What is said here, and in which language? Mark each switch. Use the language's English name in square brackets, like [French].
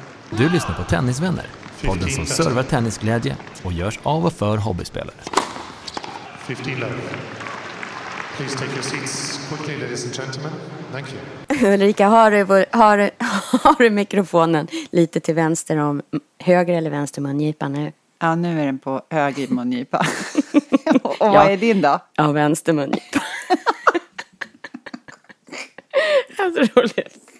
[Swedish] Du lyssnar på Tennisvänner, podden som servar tennisglädje och görs av och för hobbyspelare. [English] 15 love. Please take your seats quickly, ladies and gentlemen. Thank you. [Swedish] Ulrika, har du mikrofonen lite till vänster om höger eller vänster mungipa nu? Ja, nu är den på höger mungipa. Och vad är din då? Ja, vänster mungipa. Det är så roligt.